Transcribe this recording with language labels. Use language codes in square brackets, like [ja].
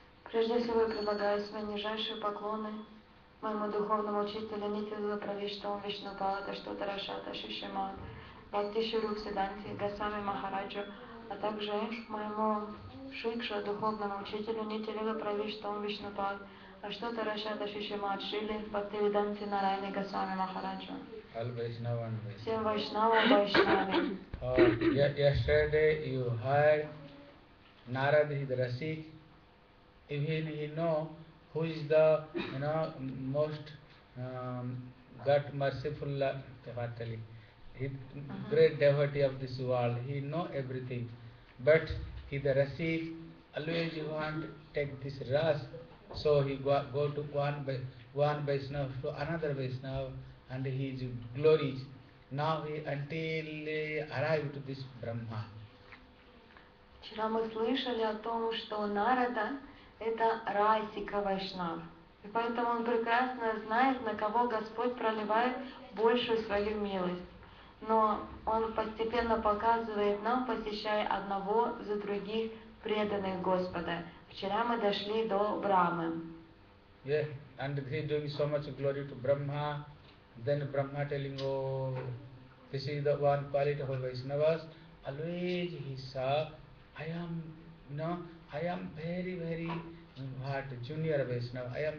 [ru] Прежде всего, я предлагаю свои нижайшие поклоны моему духовному учителю Нитилу Правиштам Вишнапалата Штутара Шата Шишима Бхакти Шурук Сиданти Гасами Махараджу, а также моему Шикша, духовному учителю Нитилила Правиштам Вишнапал, а что то расшата Шишима Шили, Бхакти Виданти Нарайни Гасами Махараджу. Всем Вайшнава Вайшнави. [en] Yesterday you heard Narad Hidrasik, even he know who is the, you know, most God merciful, devotee, great devotee of this world. He know everything, but he the rasi, always he want take this ras, so he go to one Vaishnava to another Vaishnava, and his glories. Now he until arrive to this Brahma. [ru] Вчера мы слышали о том, что Нарада – это Расика Вайшнав. И поэтому он прекрасно знает, на кого Господь проливает большую свою милость. Но он постепенно показывает нам, посещая одного за других преданных Господа. Вчера мы дошли до Брахмы. [en] Yeah, and he doing so much glory to Brahma. Then Brahma telling, oh, this is the one quality of Vaishnavas. Always he saw, I am very, very what, junior Vaishnava.